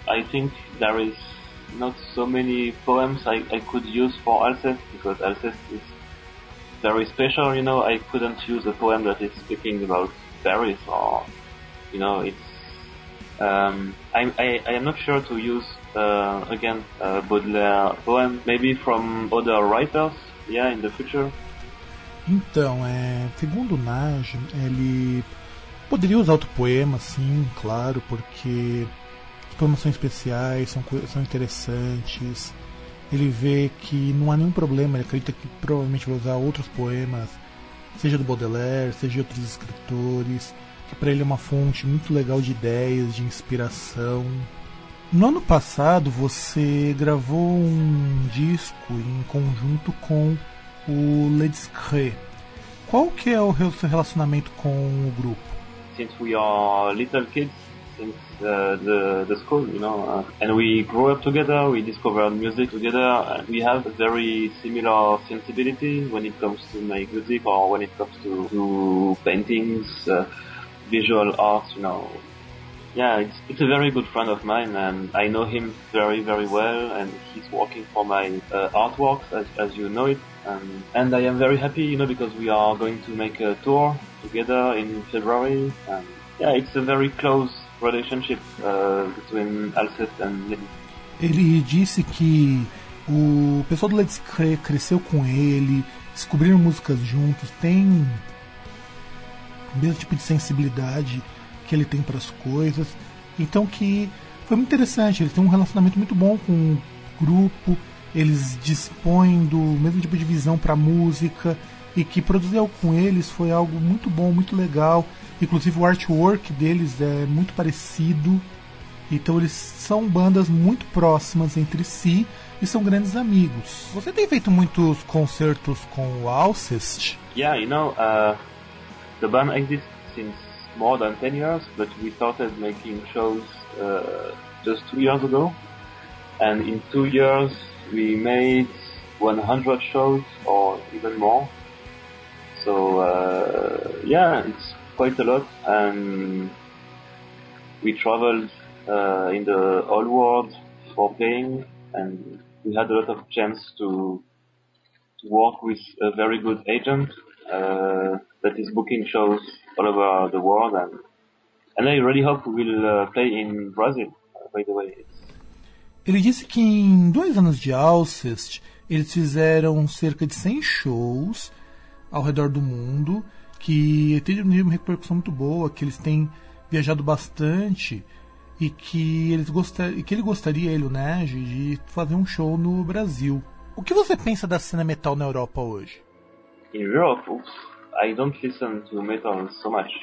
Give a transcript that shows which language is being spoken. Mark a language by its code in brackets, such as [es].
[en] I think there is not so many poems I could use for Alcest, because Alcest is very special, you know. I couldn't use a poem that is speaking about Paris, or, you know, it's I am not sure to use Baudelaire poem, maybe from other writers, yeah, in the future. [pt] Então, segundo Naj, ele poderia usar outro poema, sim, claro, porque os poemas são especiais, são interessantes. Ele vê que não há nenhum problema, ele acredita que provavelmente vai usar outros poemas, seja do Baudelaire, seja de outros escritores, que para ele é uma fonte muito legal de ideias, de inspiração. No ano passado, você gravou um disco em conjunto com o Le Discret. Qual que é o seu relacionamento com o grupo? [en] Since we are little kids, since the school, you know. And we grew up together, we discovered music together, and we have a very similar sensibility when it comes to my music or when it comes to paintings, visual arts, you know. Yeah, it's a very good friend of mine, and I know him very, very well, and he's working for my artworks, as you know it. And I am very happy, you know, because we are going to make a tour together in February. And yeah, it's a very close relationship between Alceste and Lady. [pt] Ele disse que o pessoal do Let's Cray cresceu com ele, descobriram músicas juntos, tem o mesmo tipo de sensibilidade que ele tem para as coisas. Então que foi muito interessante, ele tem um relacionamento muito bom com o grupo. Eles dispõem do mesmo tipo de visão para a música, e que produzir algo com eles foi algo muito bom, muito legal. Inclusive o artwork deles é muito parecido. Então eles são bandas muito próximas entre si e são grandes amigos. Você tem feito muitos concertos com o Alceste? [en] Yeah, you know, the band exists since more than 10 years, but we started making shows just 2 years ago. And in 2 years we made 100 shows or even more. So yeah, it's quite a lot. And we traveled in the whole world for playing, and we had a lot of chance to work with a very good agent that is booking shows all over the world. And I really hope we'll play in Brazil, by the way. [pt] Ele disse que em 2 anos de Alceste, eles fizeram cerca de 100 shows ao redor do mundo, que teve uma repercussão muito boa, que eles têm viajado bastante, e que ele gostaria, ele, o Nej, de fazer um show no Brasil. O que você pensa da cena metal na Europa hoje? [en] In Europe, I don't listen to metal so much.